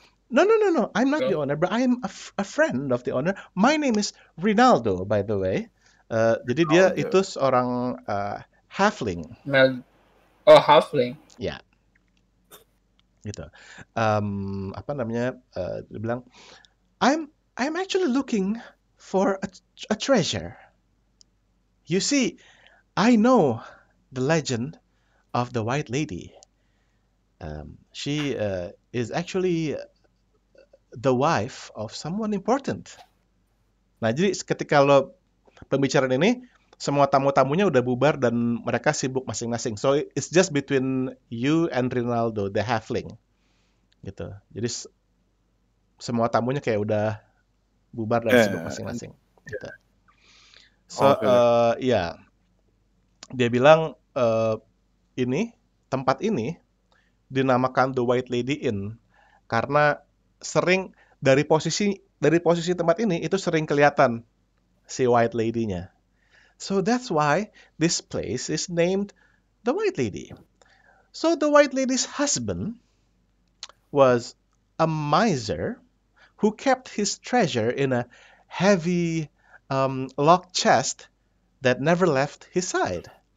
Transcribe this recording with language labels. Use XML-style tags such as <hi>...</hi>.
<en>No, I'm not the owner, but I am a friend of the owner. My name is Rinaldo, by the way.</en> <id>Jadi dia itu seorang halfling. Halfling. Ya.</id> <en>Yeah.</en> <id>Gitu. Apa namanya? Dia bilang,</id> <en>I'm actually looking for a treasure. You see, I know the legend of the white lady. She is actually the wife of someone important.</en> <id>Nah, jadi ketika lo pembicaraan ini, semua tamu-tamunya udah bubar dan mereka sibuk masing-masing.</id> <en>So it's just between you and Rinaldo, the halfling.</en> <id>Gitu. Jadi semua tamunya kayak udah bubar dan sibuk masing-masing. Gitu. So, dia bilang ini tempat ini dinamakan the White Lady Inn karena sering dari posisi tempat ini itu sering kelihatan si white lady-nya.</id> <en>So that's why this place is named the White Lady. So the White Lady's husband was a miser who kept his treasure in a heavy locked chest that never left his side.</en>